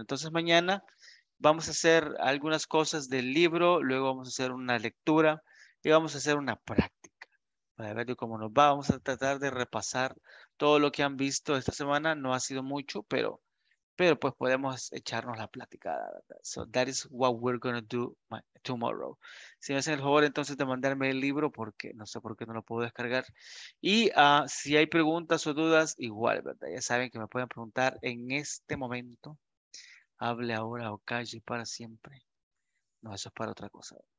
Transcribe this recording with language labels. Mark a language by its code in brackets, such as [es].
[es] Entonces mañana vamos a hacer algunas cosas del libro, luego vamos a hacer una lectura y vamos a hacer una práctica para ver cómo nos va. Vamos a tratar de repasar todo lo que han visto esta semana. No ha sido mucho, pero pues podemos echarnos la platicada, ¿verdad? [en] So that is what we're going to do tomorrow. [es] Si me hacen el favor entonces de mandarme el libro, porque no sé por qué no lo puedo descargar. Y si hay preguntas o dudas, igual, ¿verdad? Ya saben que me pueden preguntar en este momento. Hable ahora o calle para siempre. No, eso es para otra cosa.